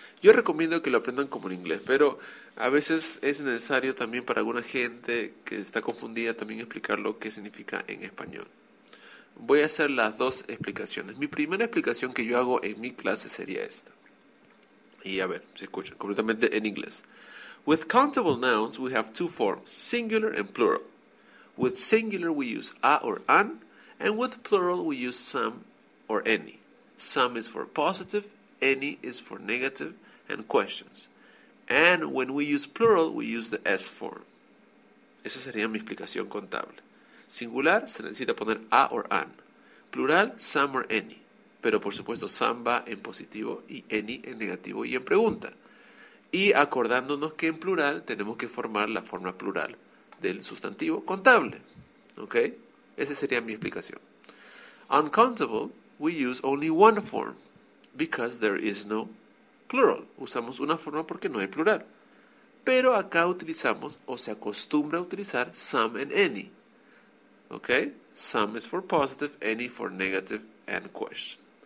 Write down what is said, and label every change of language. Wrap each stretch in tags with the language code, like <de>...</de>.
<es>Yo recomiendo que lo aprendan como en inglés, pero a veces es necesario también para alguna gente que está confundida también explicar lo que significa en español. Voy a hacer las dos explicaciones. Mi primera explicación que yo hago en mi clase sería esta. Y a ver, se escucha completamente en inglés.</es> <en>With countable nouns, we have two forms, singular and plural. With singular, we use a or an, and with plural, we use some or any. Some is for positive, any is for negative and questions. And when we use plural, we use the S form.</en> <es>Esa sería mi explicación contable. Singular, se necesita poner a or an. Plural, some or any. Pero por supuesto, some va en positivo y any en negativo y en pregunta. Y acordándonos que en plural tenemos que formar la forma plural del sustantivo contable. ¿Ok? Esa sería mi explicación.</es> <en>Uncountable, we use only one form because there is no plural.</en> <es>Usamos una forma porque no hay plural. Pero acá utilizamos o se acostumbra a utilizar some and any. ¿Ok?</es> <en>Some is for positive, any for negative and question.</en>